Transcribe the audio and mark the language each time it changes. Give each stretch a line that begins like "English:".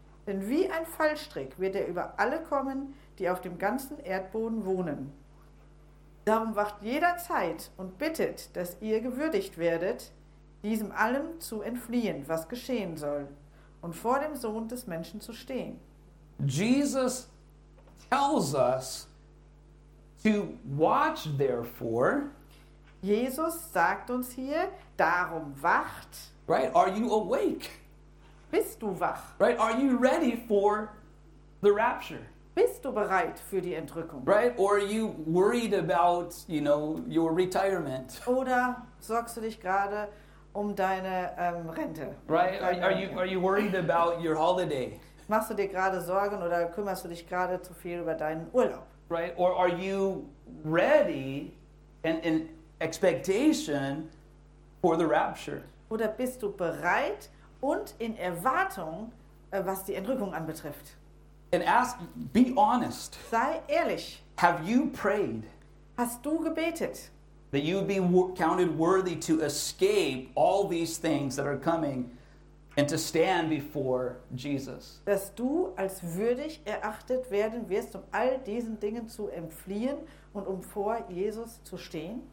German: Denn wie ein Fallstrick wird er über alle kommen, die auf dem ganzen Erdboden wohnen. Darum wacht jederzeit und bittet, dass ihr gewürdigt werdet, diesem allem zu entfliehen, was geschehen soll, und vor dem Sohn des Menschen zu stehen.
English: Jesus tells us to watch therefore.
German: Jesus sagt uns hier, darum wacht.
English: Right, are you awake?
German: Bist du wach?
English: Right, are you ready for the rapture?
German: Bist du bereit für die Entrückung?
English: Right, or are you worried about, you know, your retirement?
German: Oder sorgst du dich gerade um deine Rente?
English: Right, are you worried about your holiday?
German: Machst du dir gerade Sorgen oder kümmerst du dich gerade zu viel über deinen Urlaub?
English: Right, or are you ready and in expectation for the rapture?
German: Oder bist du bereit und in Erwartung, was die Entrückung anbetrifft?
English: And ask, be honest.
German: Sei ehrlich.
English: Have you prayed?
German: Hast du gebetet?
English: That you would be counted worthy to escape all these things that are coming and to stand before Jesus.
German: Dass du als würdig erachtet werden wirst, um all diesen Dingen zu entfliehen und um vor Jesus zu stehen.